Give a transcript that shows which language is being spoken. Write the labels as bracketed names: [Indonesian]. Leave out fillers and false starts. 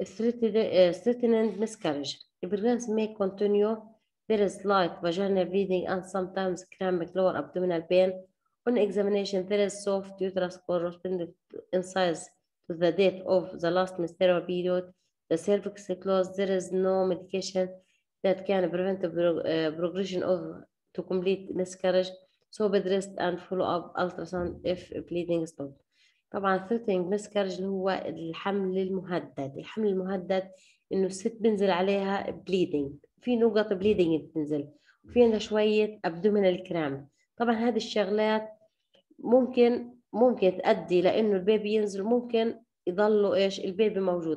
[English] Threatened miscarriage البريغنس may continue there is light vaginal bleeding and sometimes cramping lower abdominal pain. On examination there is soft uterus corresponding in size to the date of the last menstrual period. The cervix is closed. There is no medication that can prevent the progression of to complete miscarriage. So bed rest and follow up ultrasound if bleeding stopped. [Arabic] طبعا threatening miscarriage اللي هو الحمل المهدد، انه الست بنزل عليها bleeding، في نقط بليدنج بتنزل، وفي عندها شويه ابدومينال كرام. طبعا هذه الشغلات ممكن تؤدي لانه البيبي ينزل، ممكن يضلوا ايش البيبي موجود.